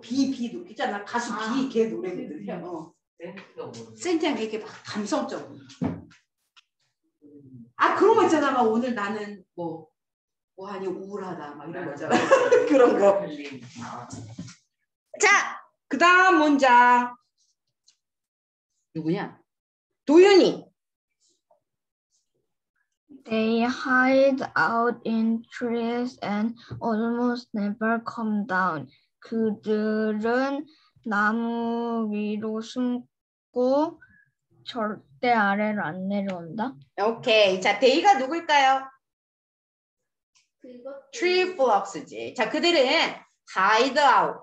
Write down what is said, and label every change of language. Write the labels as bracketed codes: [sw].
[ko] 비 느끼잖아 가수 비 걔 노래를 들으면 센티아니 이렇게 막 감성적으로 아 그런 거 있잖아 막 오늘 나는 뭐 뭐하니 우울하다 막 이런 거잖아 그런 거 자 그 다음 문장 누구냐 도윤이 [en] They hide out in trees and almost never come down. [ko] 그들은 나무 위로 숨고 절대 아래로 안 내려온다. 오케이. 자, 데이가 누굴까요? 그거 tree frogs지. 자, 그들은 hide out.